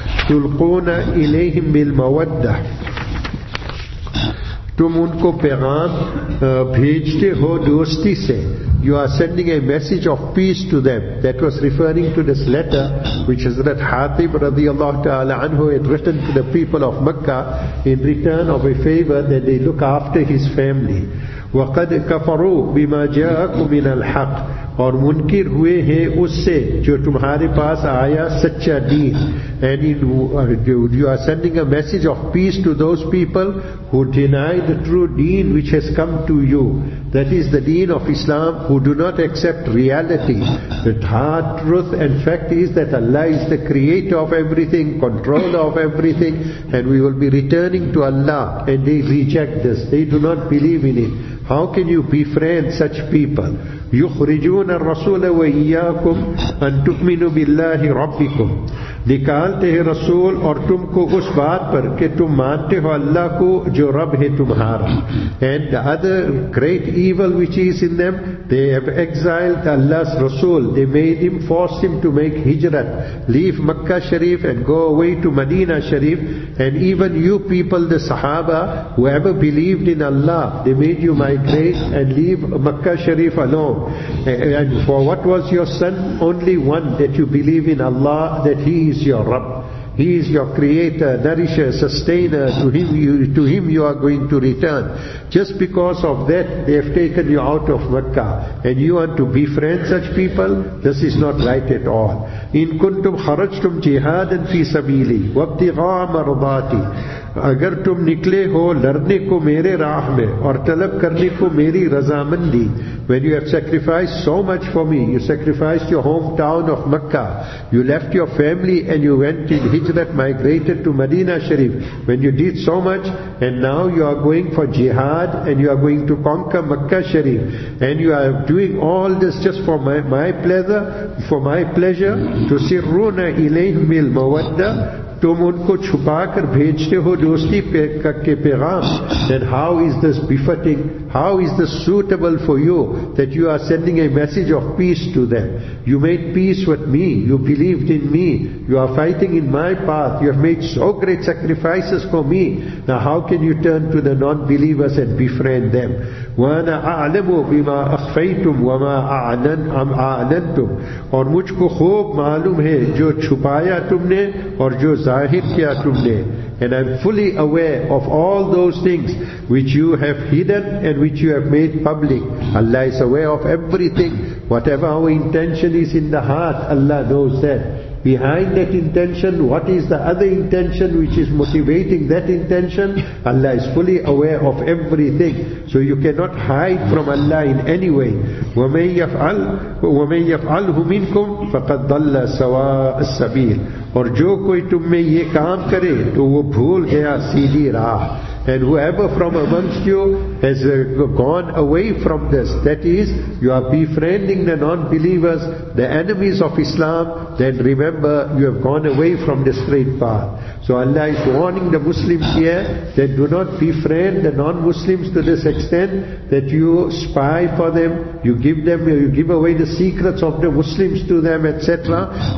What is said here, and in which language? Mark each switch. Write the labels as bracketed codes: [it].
[ar] تُلْقُونَ إِلَيْهِمْ بِالْمَوَدَّةِ. [ur] Tum unko pegham bhejte ho dosti se. [en] You are sending a message of peace to them. That was referring to this letter which Hazrat Hatib radiallahu ta'ala anhu had written to the people of Makkah in return of a favor that they look after his family. [ar] وَقَدْ كَفَرُوا بِمَا جَاءَكُمْ مِنَ الْحَقِّ. [ur] اور منکر ہوئے ہیں اس سے جو تمہارے پاس آیا سچا دین. [en] And you are sending a message of peace to those people who deny the true deen which has come to you. That is the deen of Islam, who do not accept reality. The hard truth and fact is that Allah is the creator of everything, controller of everything, and we will be returning to Allah. And they reject this. They do not believe in it. How can you befriend such people? [ar] يُخْرِجُونَ الرَّسُولَ وَإِيَّاكُمْ أَن تُؤْمِنُوا بِاللَّهِ رَبِّكُمْ. [ur] نکالتے ہیں رسول اور تم کو اس بات پر کہ تم مانتے ہو اللہ کو جو رب ہے تمہارا. [en] And the other great evil which is in them, they have exiled Allah's Rasul. They made him, forced him to make hijrat, leave Makkah Sharif and go away to Madinah Sharif. And even you people, the Sahaba, whoever believed in Allah, they made you migrate and leave Makkah Sharif alone. And for what was your son? Only one, that you believe in Allah, that he is your Rabb. He is your creator, nourisher, sustainer. To him you are going to return. Just because of that, they have taken you out of Makkah. And you want to befriend such people? This is not right at all. [ar] In kuntum kharajtum jihadan fi sabili wa ibtigha'a mardati. [ur] اگر تم نکلے ہو لڑنے کو میرے راہ میں اور طلب کرنے کو میری رضامندی. [en] When you have sacrificed so much for me, you sacrificed your hometown of Makkah, you left your family and you went in hijrat, migrated to Madinah Sharif. When you did so much and now you are going for jihad and you are going to conquer Makkah Sharif and you are doing all this just for my pleasure, to [ar] sirruna ilayhim bil mawaddah. [ur] تم ان کو چھپا کر بھیجتے ہو دوستی کے پیغام. [en] Then how is this befitting? How is this suitable for you that you are sending a message of peace to them? You made peace with me. You believed in me. You are fighting in my path. You have made so great sacrifices for me. Now how can you turn to the non-believers and befriend them? [ar] وَأَنَا أَعْلَمُ بِمَا أَخْفَيْتُمْ وَمَا أَعْلَنْتُمْ. [ur] اور مجھ کو خوب معلوم ہے جو چھپایا تم نے اور جو ظاہر کیا تم نے. [en] And I'm fully aware of all those things which you have hidden and which you have made public. Allah is aware of everything. Whatever our intention is in the heart, Allah knows that. Behind that intention, what is the other intention which is motivating that intention? Allah is fully aware of everything. So you cannot hide from Allah in any way. [ar] وَمَنْ يَفْعَلْهُ مِنْكُمْ فَقَدْ ضَلَّ سَوَاءَ السَّبِيلِ. [ur] اور جو کوئی تم میں یہ کام کرے تو وہ بھول گیا سیدھی راہ. [en] And whoever from amongst you has gone away from this, that is, you are befriending the non-believers, the enemies of Islam, then remember you have gone away from the straight path. So Allah is warning the Muslims here that do not befriend the non-Muslims to this extent that you spy for them, you give away the secrets of the Muslims to them, etc.